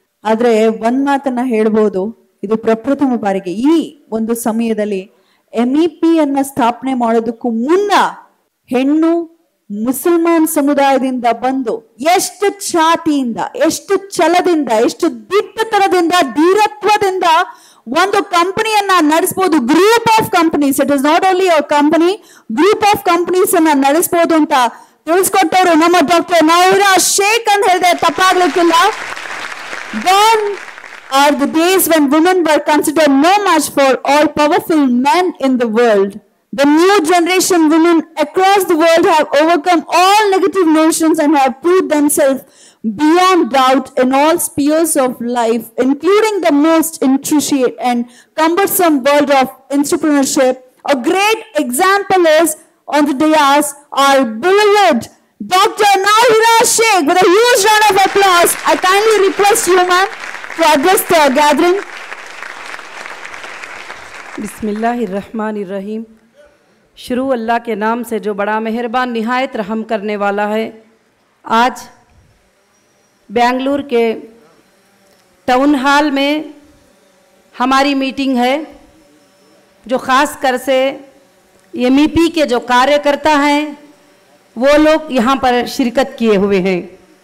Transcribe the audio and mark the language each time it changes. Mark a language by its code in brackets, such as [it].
[kn] ಆದ್ರೆ ಒಂದ್ ಮಾತನ್ನ ಹೇಳ್ಬೋದು, ಇದು ಪ್ರಪ್ರಥಮ ಬಾರಿಗೆ ಈ ಒಂದು ಸಮಯದಲ್ಲಿ MEP ಅನ್ನ ಸ್ಥಾಪನೆ ಮಾಡೋದಕ್ಕೂ ಮುನ್ನ ಹೆಣ್ಣು ಮುಸಲ್ಮಾನ್ ಸಮುದಾಯದಿಂದ ಬಂದು ಎಷ್ಟು ಛಾತಿಯಿಂದ, ಎಷ್ಟು ಛಲದಿಂದ, ಎಷ್ಟು ದಿಟ್ಟತನದಿಂದ, ಧೀರತ್ವದಿಂದ ಒಂದು ಕಂಪನಿಯನ್ನ ನಡೆಸಬಹುದು, group of companies, [en] it is not only our company, [kn] group of companies ಅನ್ನ ನಡೆಸಬಹುದು ಅಂತ ತಿಳಿಸ್ಕೊಟ್ಟವರು ನಮ್ಮ ಡಾಕ್ಟರ್ ನೌರಾ ಶೇಖ್ ಅಂತ ಹೇಳಿದೆ, ತಪ್ಪಾಗ್ಲಿಕ್ಕಿಲ್ಲ. [en] Then are the days when women were considered no match for all powerful men in the world. The new generation women across the world have overcome all negative notions and have proved themselves beyond doubt in all spheres of life, including the most intricate and cumbersome world of entrepreneurship. A great example is on the dais our beloved Dr. Nauhira Sheikh. With a huge round of applause, I kindly request you, ma'am, to address the gathering. [ar] Bismillahirrahmanirrahim. [hi] शुरू अल्लाह के नाम से जो बड़ा मेहरबान निहायत रहम करने वाला है. आज बेंगलुरु के टाउन हॉल में हमारी मीटिंग है, जो ख़ास कर से MEP के जो कार्यकर्ता हैं वो लोग यहाँ पर शिरकत किए हुए हैं.